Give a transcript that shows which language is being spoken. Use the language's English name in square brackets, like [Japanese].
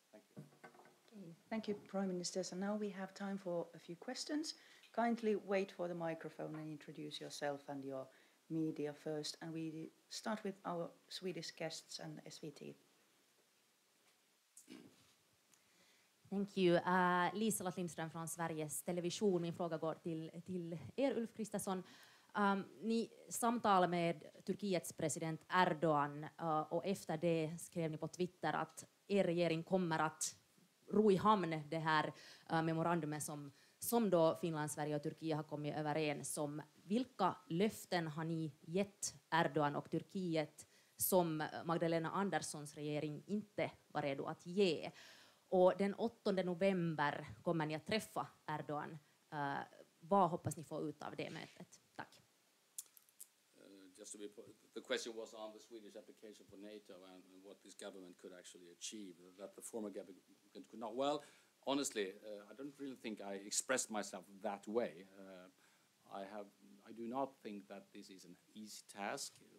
[English] Thank you. Thank you, Prime Minister. So now we have time for a few questions. Kindly wait for the microphone and introduce yourself and your media first. And we start with our Swedish guests and SVT. Thank you. [Swedish] Liselott Lindström från Sveriges Television. Min fråga går till er, Ulf Kristersson. Ni samtalade med Turkiets president Erdogan och efter det skrev ni på Twitter att er regering kommer att ro i hamn det här memorandumet som då Finland, Sverige och Turkiet har kommit överens om. Vilka löften har ni gett Erdogan och Turkiet som Magdalena Anderssons regering inte var redo att ge? Och den 8 november kommer ni att träffa Erdogan. Vad hoppas ni få ut av det mötet? Tack. Jag [English] just to be put, the question was on the Swedish application for NATO and what this government could actually achieve, that the former government could not. Well, honestly, I don't really think I expressed myself that way. I do not think that this is an easy task.